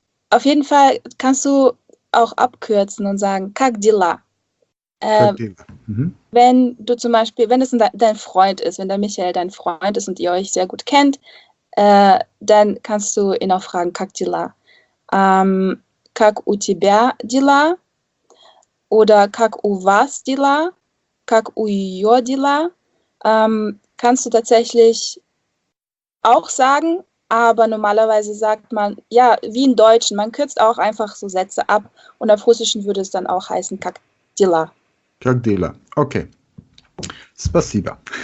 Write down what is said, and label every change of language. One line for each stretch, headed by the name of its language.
German: Auf jeden Fall kannst du auch abkürzen und sagen, Kagdila. Wenn du zum Beispiel, wenn es dein Freund ist, wenn der Michael dein Freund ist und ihr euch sehr gut kennt, dann kannst du ihn auch fragen, Kagdila.
Russian: Как у тебя дела?
German: Oder
Russian: как у вас дела? Как у ее дела?
German: Kannst du tatsächlich auch sagen, aber normalerweise sagt man, ja, wie im Deutschen, man kürzt auch einfach so Sätze ab und auf Russischen würde es dann auch heißen,
Russian: как дела. Kagdila. Okay. Спасибо.